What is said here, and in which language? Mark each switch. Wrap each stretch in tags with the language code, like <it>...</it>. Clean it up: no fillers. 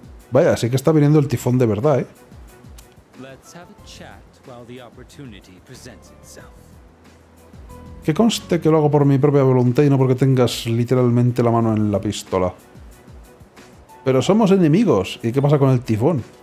<es>vaya, sí que está viniendo el tifón de verdad, ¿eh?</es> <en>Let's have a chat while the opportunity presents itself.</en> <es>Que conste que lo hago por mi propia voluntad y no porque tengas literalmente la mano en la pistola. Pero somos enemigos. ¿Y qué pasa con el tifón?</es>